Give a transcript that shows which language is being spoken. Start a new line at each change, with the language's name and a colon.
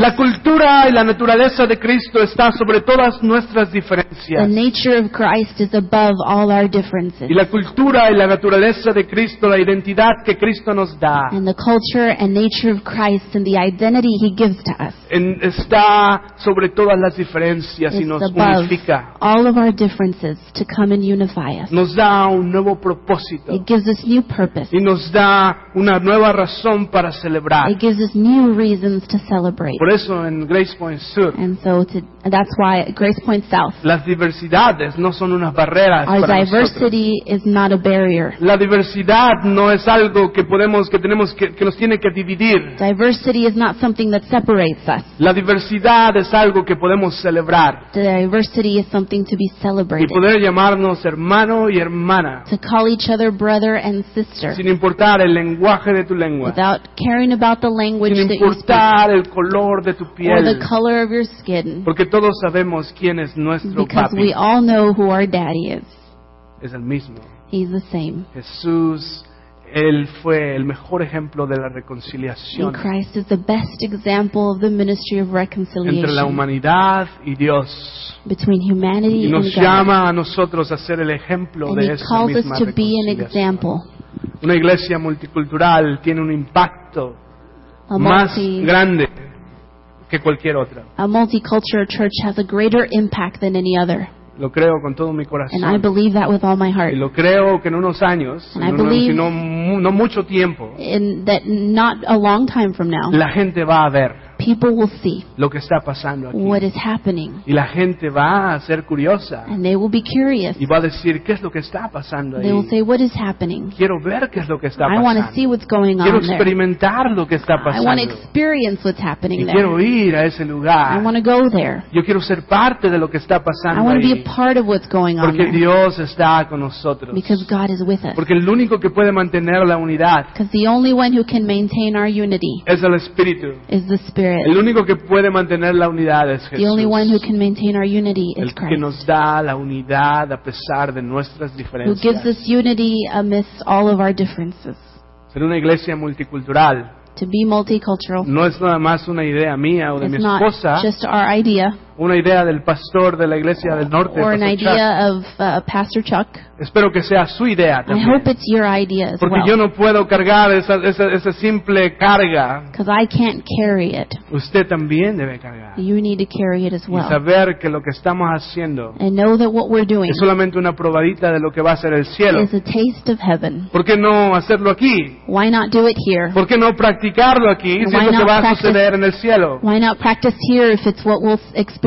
Spanish: La cultura y la naturaleza de Cristo está sobre todas nuestras diferencias.
English: The nature of Christ is above all our differences.
Spanish: Y la cultura y la naturaleza de Cristo, la identidad que Cristo nos da,
English: and the culture and nature of Christ and the identity he gives to us,
Spanish: está sobre todas las diferencias y nos unifica.
English: All of our differences to come and unify us.
Spanish: Nos da un nuevo propósito.
English: It gives us new purpose.
Spanish: Y nos da una nueva razón para celebrar.
English: It gives us new reasons to celebrate.
Spanish: Por eso en Grace Point Sur,
English: and so that's why Grace Point South,
Spanish: las diversidades no son unas barreras para nosotros.
English: Our diversity is not a barrier.
Spanish: La diversidad no es algo que podemos, que tenemos, que nos tiene que dividir.
English: Diversity is not something that separates us.
Spanish: La diversidad es algo que podemos celebrar.
English: The diversity is something to be celebrated.
Spanish: Y poder llamarnos hermano y hermana.
English: To call each other brother and sister.
Spanish: Sin importar el lenguaje de tu lengua.
English: Without caring about the language that you speak.
Spanish: Sin importar el color de tu piel.
English: Or the color of your skin.
Spanish: Porque todos sabemos quién es nuestro
English: because
Spanish: papi.
English: Because we all know who our daddy is.
Spanish: Es el mismo.
English: He's the same.
Spanish: Jesús, él fue el mejor ejemplo de la reconciliación.
English: And Christ is the best example of the ministry of reconciliation.
Spanish: Entre la humanidad y Dios.
English: Between humanity and God.
Spanish: Y nos llama a nosotros a ser el ejemplo de esa misma reconciliación.
English: And he calls us to be an example.
Spanish: Una iglesia multicultural tiene un impacto más grande que cualquier otra.
English: A multicultural church has a greater impact than any other.
Spanish: Lo creo con todo mi corazón.
English: And I believe that with all my heart.
Spanish: Y lo creo que en unos años,
English: and I believe
Spanish: sino no mucho tiempo,
English: in that not a long time from now,
Spanish: la gente va a ver,
English: people will see
Spanish: lo que está pasando aquí,
English: what is happening.
Spanish: Y la gente va a ser curiosa,
English: and they will be curious.
Spanish: Y va a decir, ¿qué es lo que está pasando ahí?
English: They will say, what is happening?
Spanish: Quiero ver qué es lo que está pasando.
English: I want to see what's going on there.
Spanish: Quiero experimentar lo que está pasando.
English: I want to experience what's happening there.
Spanish: Quiero ir a ese lugar.
English: I want to go there.
Spanish: Yo quiero ser parte de lo que está pasando ahí.
English: I want to be a part of what's going on there.
Spanish: Porque Dios está con nosotros.
English: Because God is with us.
Spanish: Porque el único que puede mantener la unidad,
English: because the only one who can maintain our unity,
Spanish: es el Espíritu.
English: Is the Spirit.
Spanish: El único que puede mantener la unidad es Jesús.
English: The only one who can maintain our unity is
Spanish: el
English: Christ.
Spanish: Que nos da la unidad a pesar de nuestras diferencias.
English: Who gives us unity amidst all of our differences.
Spanish: Ser una iglesia multicultural,
English: to be multicultural,
Spanish: no es nada más una idea mía o de mi esposa.
English: It's not just our idea.
Spanish: Una idea del pastor de la iglesia del norte,
English: or Pastor an idea Chuck. Of Pastor Chuck.
Spanish: Espero que sea su idea también.
English: I hope it's your idea as
Spanish: porque
English: well.
Spanish: Porque yo no puedo cargar esa simple carga.
English: Because I can't carry it.
Spanish: Usted también debe cargar.
English: You need to carry it as well.
Spanish: Y saber que lo que estamos haciendo,
English: and know that what we're doing,
Spanish: es solamente una probadita de lo que va a ser el cielo.
English: Is a taste of heaven.
Spanish: ¿Por qué no hacerlo aquí?
English: Why not do it here?
Spanish: ¿Por qué no practicarlo aquí? Si es lo que va a suceder en el cielo.
English: Why not practice here if it's what we'll experience